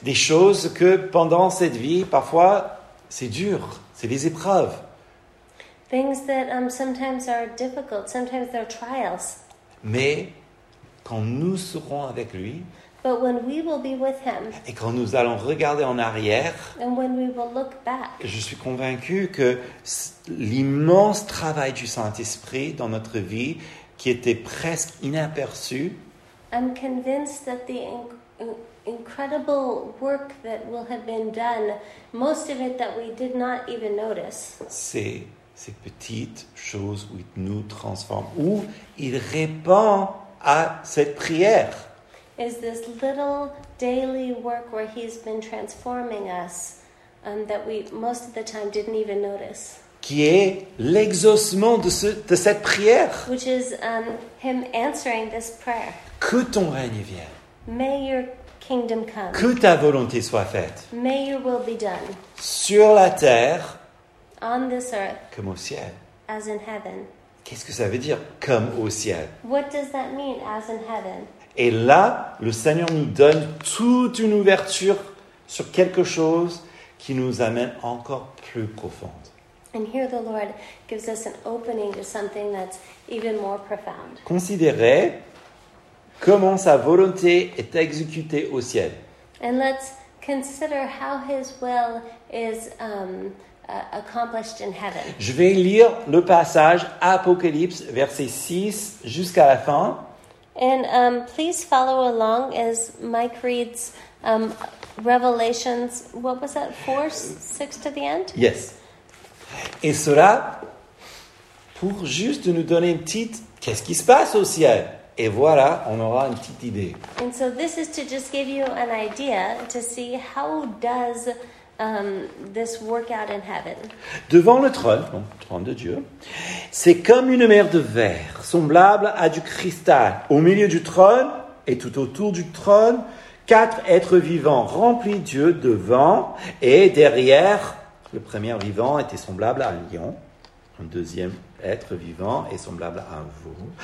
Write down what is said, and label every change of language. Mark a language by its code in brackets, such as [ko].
[fr] Des choses que pendant cette vie, parfois, c'est dur, c'est des épreuves. [en] Things that sometimes are difficult, sometimes they're trials. [fr] Mais quand nous serons avec lui, [en] but when we will be with him, [fr] et quand nous allons regarder en arrière, [en] and when we will look back, [fr] je suis convaincu que l'immense travail du Saint-Esprit dans notre vie, qui était presque inaperçu, [en] I'm convinced that the incredible work that will have been done, most of it that we did not even notice, [fr] c'est ces petites choses où il nous transforme, où il répond à cette prière. [en] Is this little daily work where he's been transforming us that we most of the time didn't even notice. [fr] Qui est l'exaucement de cette prière. [en] Which is him answering this prayer. [fr] Que ton règne vienne. [en] May your kingdom come. [fr] Que ta volonté soit faite. [en] May your will be done. [fr] Sur la terre. [en] On this earth. [fr] Comme au ciel. [en] As in heaven. [fr] Qu'est-ce que ça veut dire, comme au ciel? [en] What does that mean, as in heaven? [fr] Et là, le Seigneur nous donne toute une ouverture sur quelque chose qui nous amène encore plus profond. [en] And here the Lord gives us an opening to something that's even more profound. [fr] Considérez comment sa volonté est exécutée au ciel. [en] And let's consider how his will is accomplished in heaven. [fr] Je vais lire le passage Apocalypse, verset 6 jusqu'à la fin. [en] And please follow along as Mike reads Revelations, what was that, 4, 6 to the end? Yes. [fr] Et cela, pour juste nous donner une petite, qu'est-ce qui se passe au ciel? Et voilà, on aura une petite idée. [en] And so this is to just give you an idea to see how does this work out in heaven. [fr] Devant le trône, donc le trône de Dieu, c'est comme une mer de verre, semblable à du cristal. Au milieu du trône et tout autour du trône, quatre êtres vivants remplis Dieu devant et derrière. Le premier vivant était semblable à un lion. Un deuxième être vivant est semblable à un veau.